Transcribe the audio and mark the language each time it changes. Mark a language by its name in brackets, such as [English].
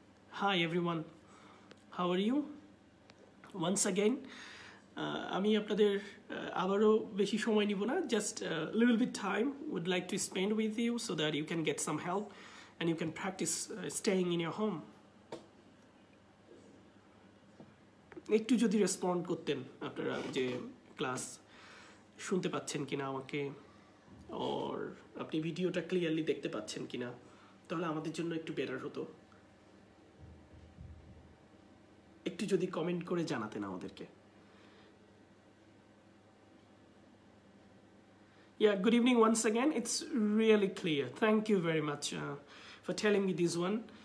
[English] Hi everyone, how are you? Once again, [Bangla] ami apnader abaro beshi shomoy nibo na, [English] just a little bit time would like to spend with you so that you can get some help and you can practice staying in your home. [Bangla] একটু যদি respond করতেন আপনারা, যে class শুনতে পাচ্ছেন কিনা আমাকে, আর আপনি ভিডিওটা ক্লিয়ারলি দেখতে পাচ্ছেন কিনা, তাহলে আমাদের জন্য একটু বেটার হতো। একটু যদি কমেন্ট করে জানাতেন আমাদেরকে। [English] Yeah, good evening once again. It's really clear. Thank you very much for telling me this one.